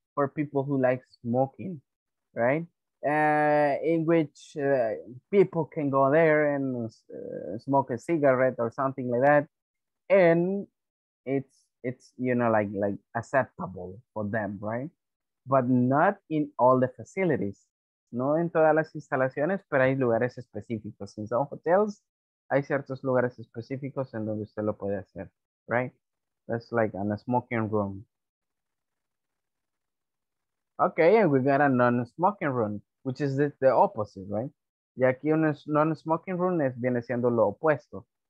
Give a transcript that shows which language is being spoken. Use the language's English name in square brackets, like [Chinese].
[English] For people who like smoking, right? In which people can go there and smoke a cigarette or something like that. And it's you know, like acceptable for them, right? But not in all the facilities. [Spanish] No en todas las instalaciones, pero hay lugares específicos. En [English] some hotels, [Spanish] hay ciertos lugares específicos en donde usted lo puede hacer, right? [English] That's like in a smoking room. Okay, and we got a non-smoking room, which is the opposite, right? [Spanish] Y aquí un non-smoking room viene siendo lo opuesto.